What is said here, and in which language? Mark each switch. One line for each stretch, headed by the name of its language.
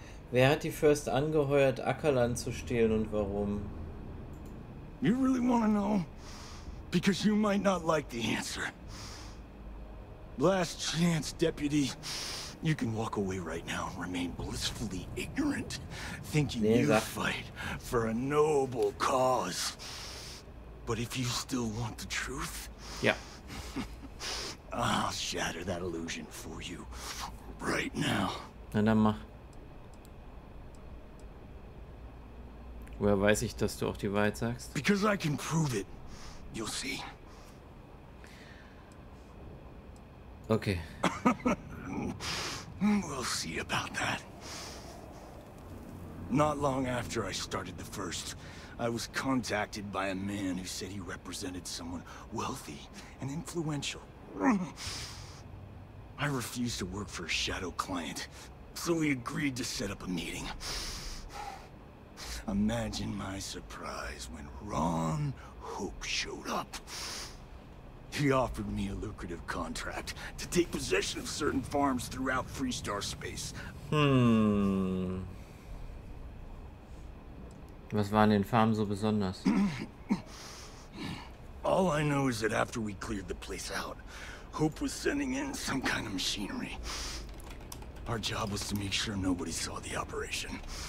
German: Wer hat die First angeheuert, Ackerland zu stehlen und warum?
English: You really want to know? Because you might not like the answer. Last chance, deputy. You can walk away right now and remain blissfully ignorant, thinking you fight for a noble cause. But if you still want the truth, yeah. I'll shatter that illusion for you right now.
German: Na dann mach. Woher weiß ich, dass du auch die Wahrheit sagst?
English: Because I can prove it. You'll see. Okay. We'll see about that. Not long after I started the First, I was contacted by a man who said he represented someone wealthy and influential. I refused to work for a shadow client, so we agreed to set up a meeting. Imagine my surprise when Ron Hope showed up. He offered me a lucrative contract to take possession of certain farms throughout Freestar space.
German: Was waren den Farmen so besonders?
English: All I know is that after we cleared the place out, Hope was sending in some kind of machinery. Our job was to make sure nobody saw the operation.